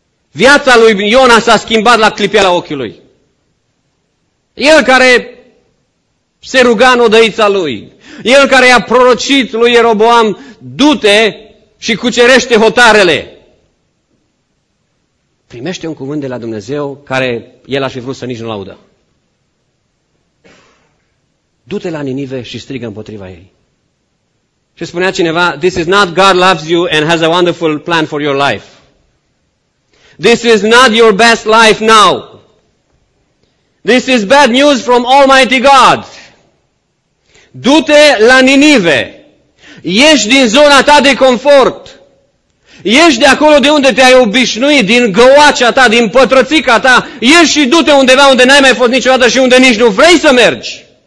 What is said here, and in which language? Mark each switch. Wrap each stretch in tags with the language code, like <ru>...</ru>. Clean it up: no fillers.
<ro>Viața lui Iona s-a schimbat la clipeala ochiului. El care se ruga în odăița lui, El care i-a prorocit lui Ieroboam, du-te și cucerește hotarele. Primește un cuvânt de la Dumnezeu care el aș fi vrut să nici nu-l audă. Du-te la Ninive și strigă împotriva ei. Și spunea cineva,</ro> <en>this is not God loves you and has a wonderful plan for your life. This is not your best life now. This is bad news from Almighty God.</en> <ro>Du-te la Ninive, ieși din zona ta de confort, ieși de acolo de unde te-ai obișnuit, din găoacea ta, din pătrățica ta, ieși și du-te undeva unde n-ai mai fost niciodată și unde nici nu vrei să mergi.</ro>